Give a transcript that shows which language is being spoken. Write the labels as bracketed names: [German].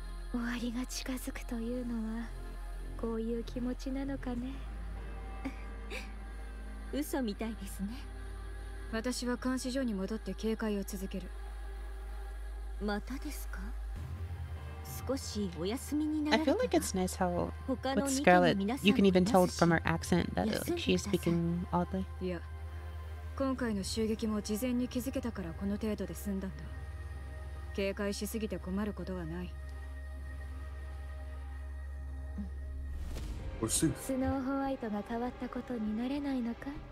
[Japanese] 終わりが近づくというのはこういう気持ちなのかね。嘘みたいですね。私は監視所に戻って警戒を続ける。またですか？少しお休みになられた。 [English] I feel like it's nice how with Scarlett, you can even tell from her accent that she is speaking oddly. [Japanese] いや、今回の襲撃も事前に気づけたからこの程度で済んだんだ。警戒しすぎて困ることはない。スノーホワイトが変わったことに慣れないのか？